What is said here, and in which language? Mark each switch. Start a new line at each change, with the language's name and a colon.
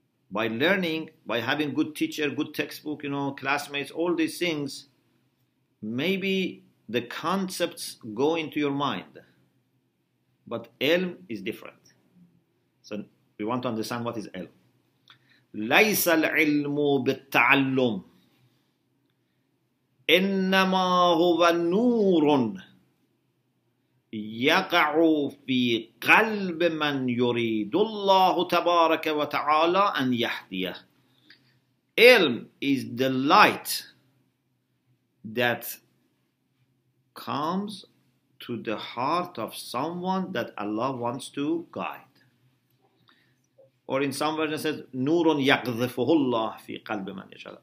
English: By learning, by having good teacher, good textbook, you know, classmates, all these things, maybe the concepts go into your mind. But L is different. So we want to understand what is L.
Arabic: ليس العلم بالتعلم إنما هو نور يقع في قلب من يريد الله تبارك وتعالى أن يهديه.
English: علم is the light that comes to the heart of someone that Allah wants to guide. Or in some version it says,
Arabic: نُورٌ يَقْذِفُهُ اللَّهُ فِي قَلْبِ مَنْ يَشَاءُ.